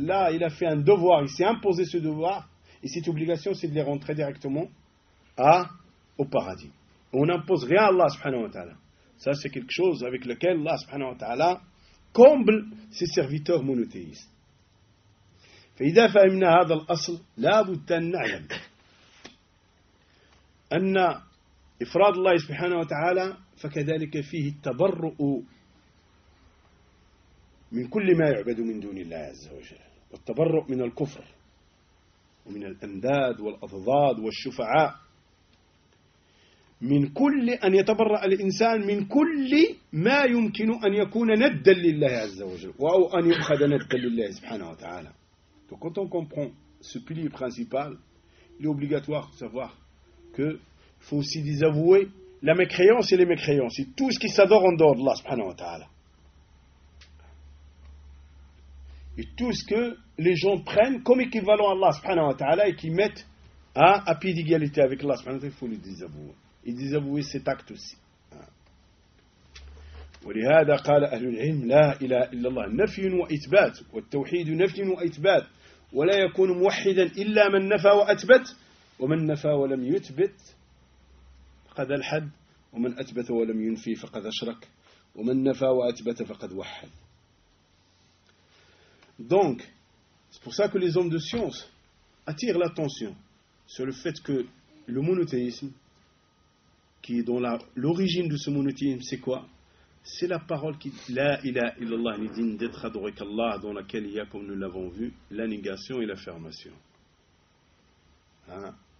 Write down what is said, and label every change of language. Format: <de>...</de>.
<fr>Là, il a fait un devoir. Il s'est imposé ce devoir. Et cette obligation, c'est de les rentrer directement au paradis. On n'impose rien à Allah subhanahu wa ta'ala. Ça, c'est quelque chose avec lequel Allah subhanahu wa ta'ala comble ses serviteurs monothéistes.</fr> <ar>فَإِذَا فَأَمْنَا هَذَا الْأَصْلِ لَا بُدَّ النَّعْلَمْ أَنَّ إِفْرَادَ اللَّهِ سُبْحَانَهُ وَتَعَالَى فكذلك فيه التبرؤ من كل ما يعبد من دون الله عز وجل والتبرؤ من الكفر ومن الأنداد والأضداد والشفعاء من كل أن يتبرأ الإنسان من كل ما يمكن أن يكون ندا لله عز وجل أو أن يؤخذ ندا لله سبحانه وتعالى.</ar> <fr>Donc quand on comprend ce pilier principal, il est obligatoire de savoir qu'il faut aussi désavouer la mécréance et les mécréances, et tout ce qui s'adore en dehors d'Allah, subhanahu wa ta'ala. Et tout ce que les gens prennent comme équivalent à Allah, subhanahu wa ta'ala, et qu'ils mettent à pied d'égalité avec Allah, subhanahu wa ta'ala, il faut les désavouer. Et désavouer cet acte aussi.</fr> <ar>ولهذا قال أهل العلم لا إله إلا الله نفي وإثبات والتوحيد نفي وإثبات ولا يكون موحدا إلا من نفى وأثبت ومن نفى ولم يثبت فقد الحد ومن أثبت ولم ينفي فقد أشرك ومن نفى وأثبت فقد وحد.</ar> <fr>Donc c'est pour ça que les hommes de science attirent l'attention sur le fait que le monothéisme, qui est dans l'origine de ce monothéisme, c'est quoi? C'est la parole qui dit « La ilaha illallah » n'est digne d'être adoré qu'Allah, dans laquelle il y a, comme nous l'avons vu, la négation et l'affirmation. Hein?</fr>